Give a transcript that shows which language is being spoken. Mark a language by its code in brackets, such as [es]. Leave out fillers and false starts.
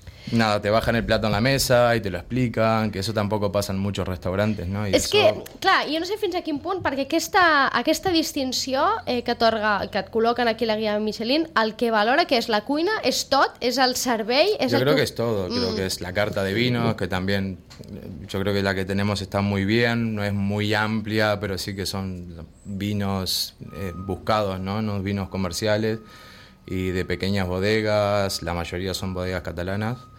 [es] Nada, te bajan el plato en la mesa i te lo explican, que eso tampoco pasa en muchos restaurantes, ¿no? [ca] És que, clar, jo no sé fins a quin punt, perquè aquesta distinció que et col·loquen aquí a la guia Michelin, el que valora, que és la cuina, és tot, és el servei... [es] Yo creo que es todo, creo que es la carta de vinos, que también, yo creo que la que tenemos está muy bien, no es muy amplia, pero sí que son vinos buscados, ¿no? No vinos comerciales. Y de pequeñas bodegas, la mayoría son bodegas catalanas.